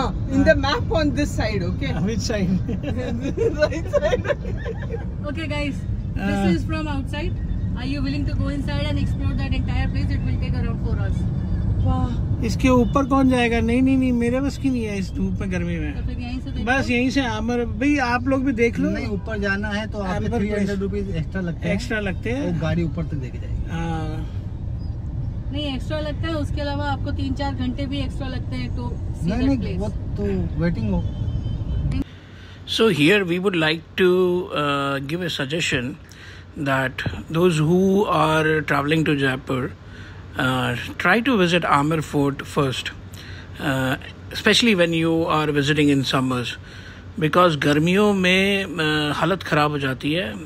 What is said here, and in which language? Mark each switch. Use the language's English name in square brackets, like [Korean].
[English] In the map on this side, okay? Which side? Right side. Okay guys, this is from outside. Are you willing to go inside and explore that entire place? It will take around 4 hours. [Hindi] इसके ऊपर कौन जाएगा? नहीं, मेरे बस की नहीं है इस धूप में गर्मी में। तो बस यहीं से आमर भाई, आप लोग भी देख लो। नहीं, ऊपर जाना है तो आपके 300 रुपीस एक्स्ट्रा लगते हैं। वो गाड़ी ऊपर तक देके जाएगी। नहीं, एक्स्ट्रा लगता है, उसके अलावा आपको 3-4 घंटे भी एक्स्ट्रा लगते हैं। तो वेटिंग हो। [English] so here we would like to give a suggestion that those who are travelling to Jaipur, try to visit Amer Fort first, especially when you are visiting in summers, because [Hindi] garmiyon mein halat kharab ho jati hai.